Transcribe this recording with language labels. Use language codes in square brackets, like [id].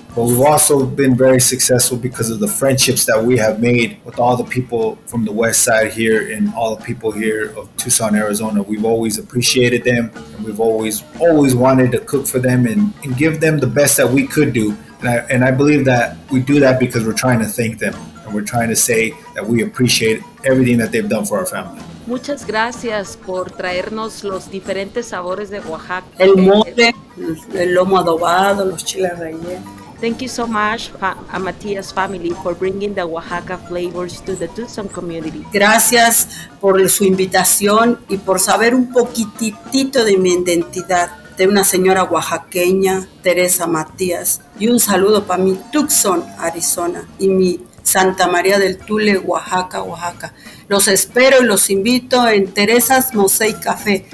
[en] But we've also been very successful because of the friendships that we have made with all the people from the west side here and all the people here of Tucson, Arizona. We've always appreciated them, and we've always wanted to cook for them and give them the best that we could do. And I believe that we do that because we're trying to thank them, and we're trying to say that we appreciate everything that they've done for our family. [es] Muchas gracias por traernos los diferentes sabores de Oaxaca. El mole, el lomo adobado, los chiles rellenos. [en] Thank you so much, Matías family, for bringing the Oaxaca flavors to the Tucson community. [es] Gracias por su invitación y por saber un poquitito de mi identidad, de una señora oaxaqueña, Teresa Matías. Y un saludo para mi Tucson, Arizona, y mi Santa María del Tule, Oaxaca, Oaxaca. Los espero y los invito en Teresa's Mosaic Café.